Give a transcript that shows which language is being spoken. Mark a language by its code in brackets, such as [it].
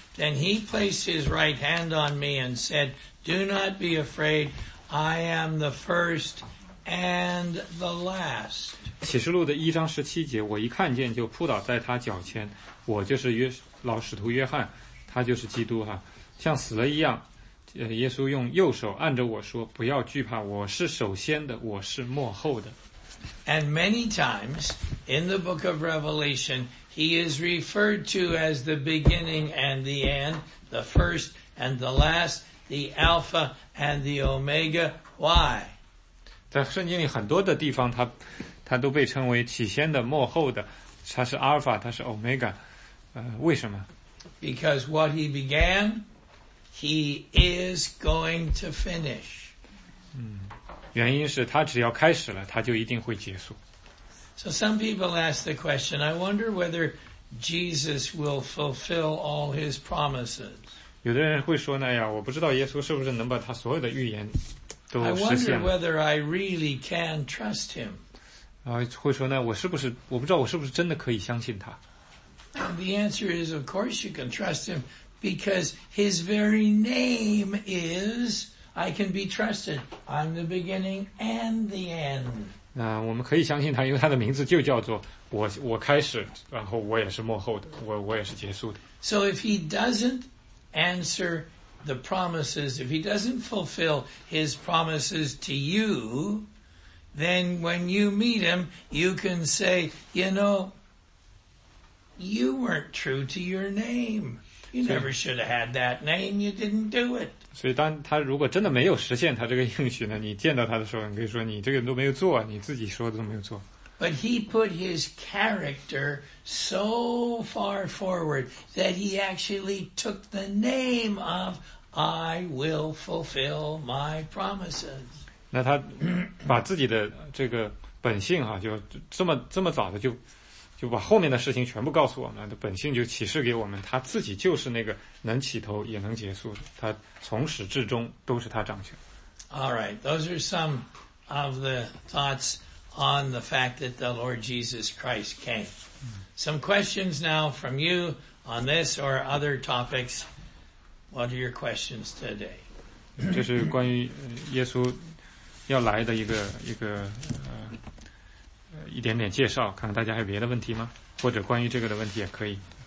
[en] Then he placed his right hand on me and said, Do not be afraid, I am the first and the last. [zh] 启示录的一章十七节，我一看见就扑倒在他脚前，我就是老使徒约翰，他就是基督哈，像死了一样。耶稣用右手按着我说，不要惧怕，我是首先的，我是末后的。 [en] And many times in the book of Revelation, he is referred to as the beginning and the end, the first and the last, the Alpha and the Omega. Why? [zh] 在圣经里很多的地方，他都被称为起先的、末后的，他是 Alpha， 他是 Omega， 为什么 [en] ？Because what he began, he is going to finish. [zh] 原因是他只要开始了，他就一定会结束。 [en] So some people ask the question, I wonder whether Jesus will fulfill all his promises. [zh] 有的人会说那样，我不知道耶稣是不是能把他所有的预言都实现了。 [en] I wonder whether I really can trust him. [zh] 会说那我不知道我是不是真的可以相信他。 [en] And the answer is, of course you can trust him because his very name is, I can be trusted. I'm the beginning and the end. [zh] 那我们可以相信他，因为他的名字就叫做我开始，然后我也是末后的，我也是结束的。 [en] So if he doesn't answer the promises, if he doesn't fulfill his promises to you, then when you meet him, you can say, you know, you weren't true to your name. You never should have had that name. You didn't do it. [zh] 所以当他如果真的没有实现他这个应许呢，你见到他的时候，你可以说你这个都没有做，你自己说的都没有做。 [en] But he put his character so far forward that he actually took the name of I will fulfill my promises. [zh] 那他把自己的这个本性啊，就这么早的就把后面的事情全部告诉我们，本性就启示给我们，他自己就是那个能起头也能结束，他从始至终都是他掌权。 [en] All right, those are some of the thoughts on the fact that the Lord Jesus Christ came. Some questions now from you on this or other topics. What are your questions today? [zh] 这是关于耶稣要来的一点点介绍，看看大家还有别的问题吗？或者关于这个的问题也可以。